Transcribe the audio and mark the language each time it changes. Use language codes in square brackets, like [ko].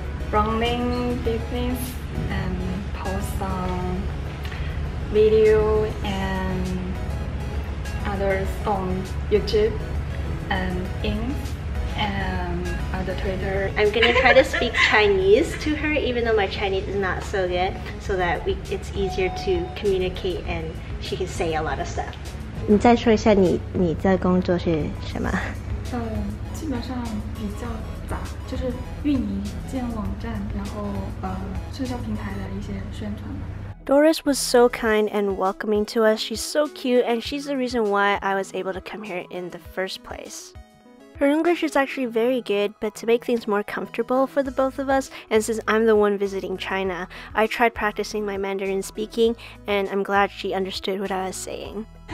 [en] Running business and post some video and others on YouTube and other Twitter. I'm gonna try to speak Chinese to her, even though my Chinese is not so good, so that it's easier to communicate and she can say a lot of stuff. [zh] 你再说一下你在工作是什么？基本上比较杂，就是运营、建网站，然后社交平台的一些宣传。 [en] Doris was so kind and welcoming to us. She's so cute, and she's the reason why I was able to come here in the first place. Her English is actually very good, but to make things more comfortable for the both of us, and since I'm the one visiting China, I tried practicing my Mandarin speaking, and I'm glad she understood what I was saying.